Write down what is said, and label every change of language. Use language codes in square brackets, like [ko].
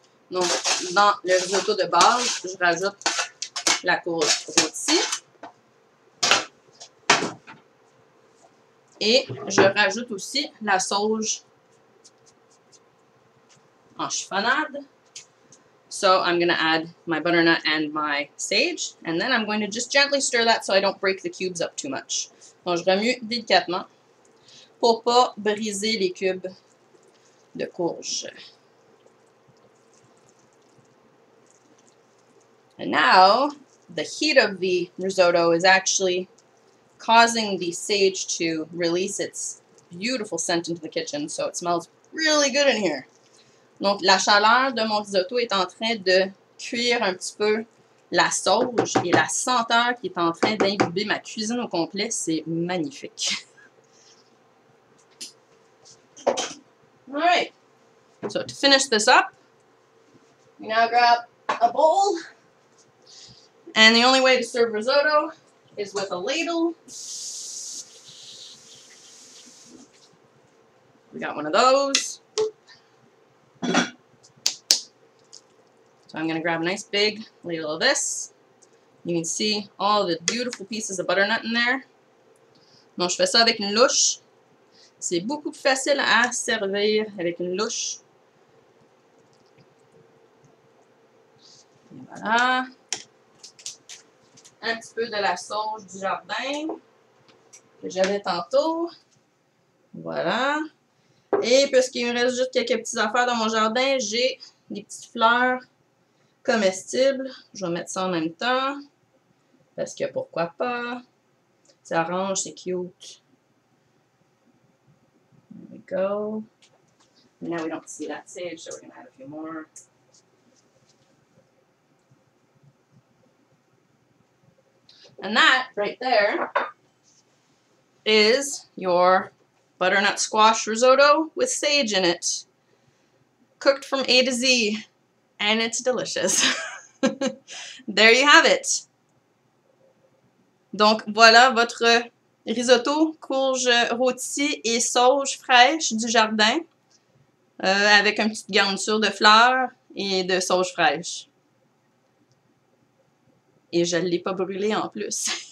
[fr] Donc, dans le risotto de base, je rajoute la courge rôtie. Et je rajoute aussi la sauge en chiffonade. [en] So I'm going to add my butternut and my sage. And then I'm going to just gently stir that so I don't break the cubes up too much. [fr] Donc je remue délicatement pour pas briser les cubes de courge. [en] And now the heat of the risotto is actually causing the sage to release its beautiful scent into the kitchen. So it smells really good in here. [fr] Donc, la chaleur de mon risotto est en train de cuire un petit peu la sauge et la senteur qui est en train d'imbiber ma cuisine au complet, c'est magnifique. [en] Alright, so to finish this up, we now grab a bowl. And the only way to serve risotto is with a ladle. We got one of those. So I'm going to grab a nice big ladle of this. You can see all the beautiful pieces of butternut in there. [fr] Donc, je fais ça avec une louche. C'est beaucoup plus facile à servir avec une louche. Et voilà. Un petit peu de la sauge du jardin que j'avais tantôt. Voilà. Et puisqu'il me reste juste quelques petites affaires dans mon jardin, j'ai des petites fleurs comestibles. Je vais mettre ça en même temps. Parce que pourquoi pas. C'est orange, c'est cute. [en] There we go. Now we don't see that sage, so we're going to add a few more. And that, right there, is your butternut squash risotto with sage in it, cooked from A to Z, and it's delicious. There you have it. [fr] Donc, voilà votre risotto courge rôtie et sauge fraîche du jardin, avec une petite garniture de fleurs et de sauge fraîche. Et je ne l'ai pas brûlé en plus.